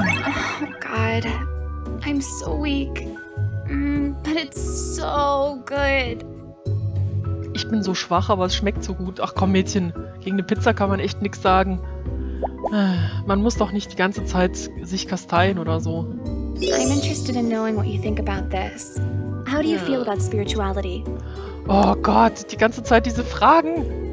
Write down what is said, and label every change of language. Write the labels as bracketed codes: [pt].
[de] Oh Gott, [en] I'm so weak. But it's so good. [de] Ich bin so schwach, aber es schmeckt so gut. Ach komm, Mädchen, gegen eine Pizza kann man echt nichts sagen. Man muss doch nicht die ganze Zeit sich kasteien oder so. [en] I'm interested in knowing what you think about this. How do you feel about spirituality? [de] Oh Gott, die ganze Zeit diese Fragen.